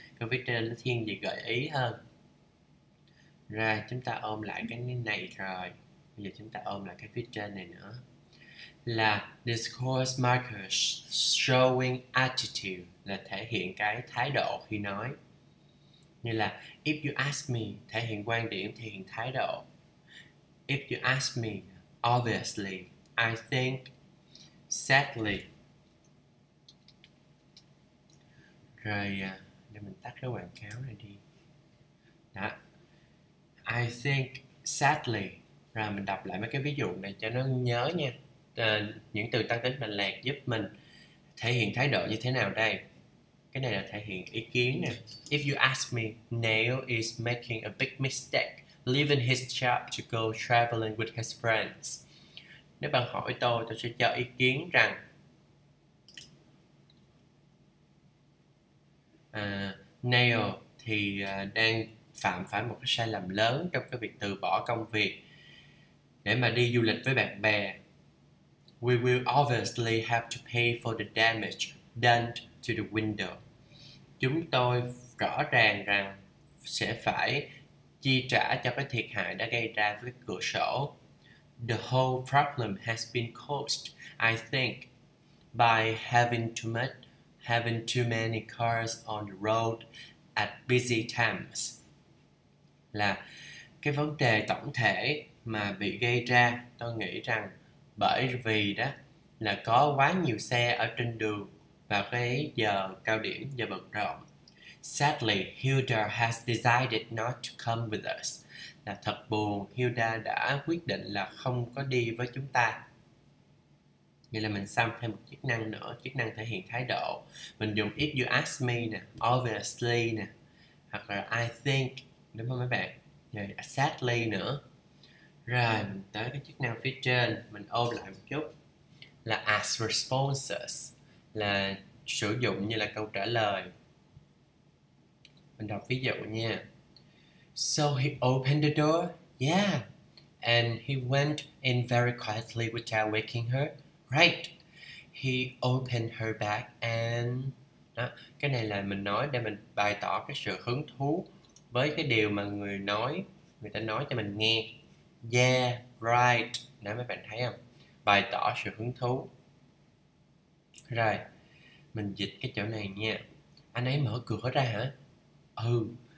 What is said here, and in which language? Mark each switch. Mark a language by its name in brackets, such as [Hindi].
[Vietnamese] Câu phía trên nó thiên về gợi ý hơn. Rồi, chúng ta ôm lại cái này rồi. Bây giờ chúng ta ôm lại cái phía trên này nữa. Là [English] discourse markers showing attitude, [Vietnamese] là thể hiện cái thái độ khi nói. Như là [English] if you ask me, [Vietnamese] thể hiện quan điểm, thể hiện thái độ. [English] If you ask me, obviously, I think, sadly. [Vietnamese] Rồi, để mình tắt cái quảng cáo này đi. Đó. [English] I think, sadly. [Vietnamese] Rồi mình đọc lại mấy cái ví dụ này cho nó nhớ nha. Những từ tăng tính mạch lạc giúp mình thể hiện thái độ như thế nào đây? Cái này là thể hiện ý kiến nè. [English] If you ask me, Neil is making a big mistake leaving his job to go traveling with his friends. [Vietnamese] Nếu bạn hỏi tôi sẽ cho ý kiến rằng Neil thì đang phạm một cái sai lầm lớn trong cái việc từ bỏ công việc để mà đi du lịch với bạn bè. [English] We will obviously have to pay for the damage done to the window. [Vietnamese] Chúng tôi rõ ràng rằng sẽ phải chi trả cho cái thiệt hại đã gây ra với cửa sổ. [English] The whole problem has been caused, I think, by having too many cars on the road at busy times. [Vietnamese] Là cái vấn đề tổng thể mà bị gây ra, tôi nghĩ rằng bởi vì đó là có quá nhiều xe ở trên đường vào cái giờ cao điểm, giờ bận rộn. [English] Sadly, Hilda has decided not to come with us. [Vietnamese] Là thật buồn, Hilda đã quyết định là không có đi với chúng ta. Vậy là mình xong thêm một chức năng nữa, chức năng thể hiện thái độ. Mình dùng [English] if you ask me [Vietnamese] nè, obviously nè, hoặc là [English] I think, [Vietnamese] đúng không mấy bạn? Rồi, sadly nữa. Rồi, mình tới cái chức năng phía trên, mình ôn lại một chút. Là ask responses, là sử dụng như là câu trả lời. Mình đọc ví dụ nha. [English] So he opened the door, yeah, and he went in very quietly without waking her, right? He opened her bag and... [Vietnamese] Đó, cái này là mình nói để mình bày tỏ cái sự hứng thú với cái điều mà người nói, người ta nói cho mình nghe. [English] Yeah, right. [Vietnamese] Đó, mấy bạn thấy không? Bày tỏ sự hứng thú. Rồi, mình dịch cái chỗ này nha. Anh ấy mở cửa ra hả? Ừ.